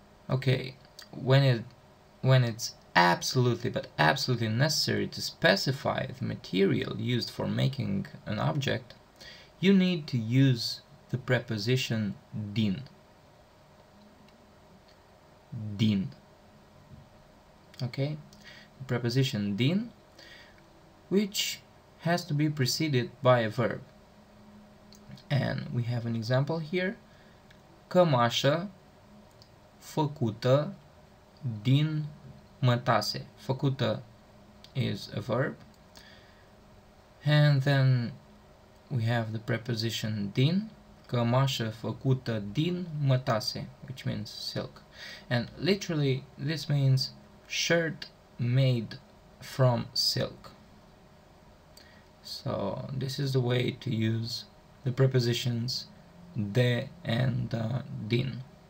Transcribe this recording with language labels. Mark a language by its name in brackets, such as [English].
[English] Okay, when it's absolutely, but absolutely necessary to specify the material used for making an object, you need to use the preposition din. Din. Okay? The preposition din, which has to be preceded by a verb. And we have an example here. [Romanian] Cămașă făcută din mătase. Făcută is a verb. And then we have the preposition din. Cămașă făcută din mătase, [English] which means silk. And literally, this means shirt made from silk. So, this is the way to use the prepositions de and din.